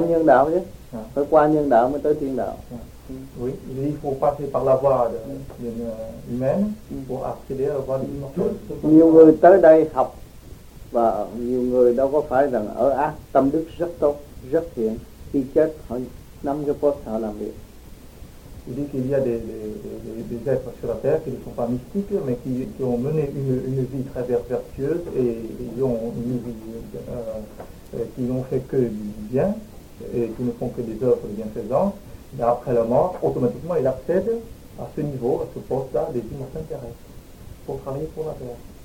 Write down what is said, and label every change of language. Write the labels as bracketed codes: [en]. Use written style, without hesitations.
[vi] Qua nhân đạo chứ, phải qua nhân đạo mới tới tiên đạo. [fr] Oui, il faut passer par la voie humaine pour accéder à la voie immortelle. [vi] Nhiều người tới đây học và nhiều người đâu có phải rằng ở ác, tâm đức rất tốt, rất thiện, khi chết họ nắm cái post họ làm việc. [fr] Il dit qu'il y a des êtres sur la terre qui ne sont pas mystiques, mais qui ont mené une vie très vertueuse et ils ont une vie qui n'ont fait que du bien et qui ne font que des œuvres de bienfaisance. Et après la mort, automatiquement, ils accèdent à ce niveau, à ce poste-là, des dimensions d'intérêt pour travailler pour la terre.